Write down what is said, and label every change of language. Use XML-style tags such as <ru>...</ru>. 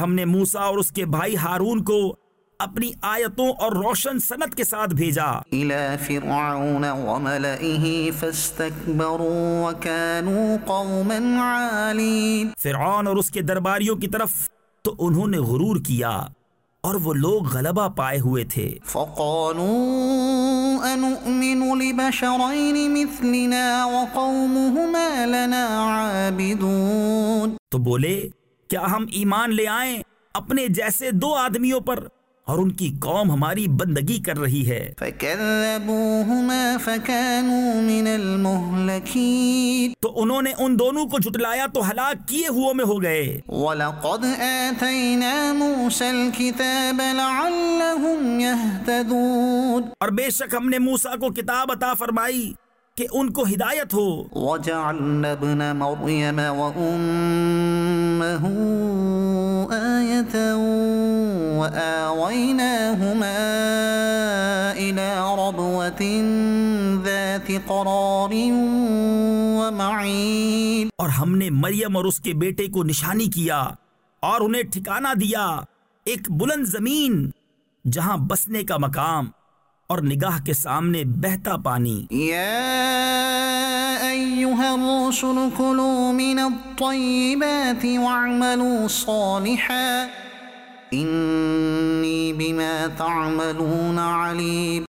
<ur>پھر ہم نے موسیٰ اور اس کے بھائی ہارون کو اپنی آیتوں اور روشن سنت کے ساتھ بھیجا.</ur> <ar>إلى فرعون وملئه فاستكبروا وكانوا قوما عالين.</ar> <ur>فرعون اور اس کے درباریوں کی طرف تو انہوں نے غرور کیا اور وہ لوگ غلبہ پائے ہوئے تھے.</ur> <ar>فقالوا أنؤمن لبشرين مثلنا وقومهما لنا عابدون.</ar> <ur>تو بولے کیا ہم ایمان لے آئیں اپنے جیسے دو آدمیوں پر اور ان کی قوم ہماری بندگی کر رہی ہے.</ur> <ar>فكذبوهما فكانوا من المهلكين.</ar> <ur>تو انہوں نے ان دونوں کو جھٹلایا تو ہلاک کیے ہوئے میں ہو گئے.</ur> <ar>ولقد آتينا موسى الكتاب لعلهم يهتدون.</ar> <ur>اور بے شک ہم نے موسیٰ کو کتاب عطا فرمائی کہ ان کو ہدایت ہو.</ur> <ar>وجعلنا ابن مريم وامه آية وآويناهما إلى ربوة ذات قرار ومعين.</ar> <ur>اور ہم نے مریم اور اس کے بیٹے کو نشانی کیا اور انہیں ٹھکانہ دیا ایک بلند زمین جہاں بسنے کا مقام اور نگاہ کے سامنے بہتا پانی.</ur> <ar>یا ایھا الرسل کلوا من الطیبات واعملوا صالحا انی بما تعملون علیم.</ar>